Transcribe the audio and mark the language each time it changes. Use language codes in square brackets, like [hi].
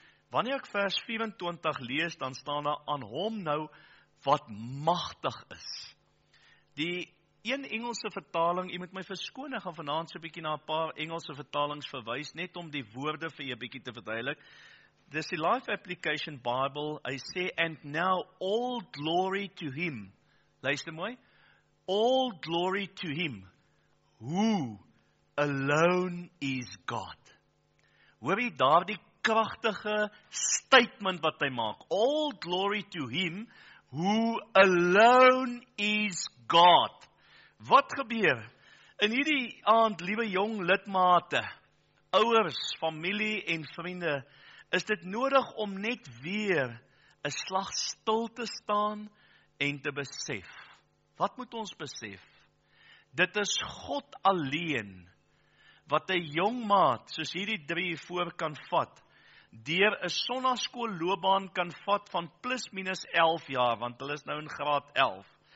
[af] Wanneer ek vers 24 lees, dan staan daar aan hom nou wat magtig is. Die een Engelse vertaling, jy moet my verskoon, ek gaan vanaand so 'n bietjie na 'n paar Engelse vertalings verwys, net om die woorde vir jy 'n bietjie te verduidelik. [en] This is the Life Application Bible. I say, and now all glory to him. [af] Luister mooi. [en] All glory to him who alone is God. [af] Hoor jy daar die kragtige statement wat hy maak? [en] All glory to him who alone is God. [af] Wat gebeur? In hierdie aand, liewe jong lidmate, ouers, familie en vriende, is dit nodig om net weer 'n slag stil te staan en te besef. Wat moet ons besef? Dit is God alleen wat 'n jong maat soos hierdie drie voor kan vat, deur 'n sonnaskool loopbaan kan vat van plus minus 11 jaar, want hulle is nou in graad 11,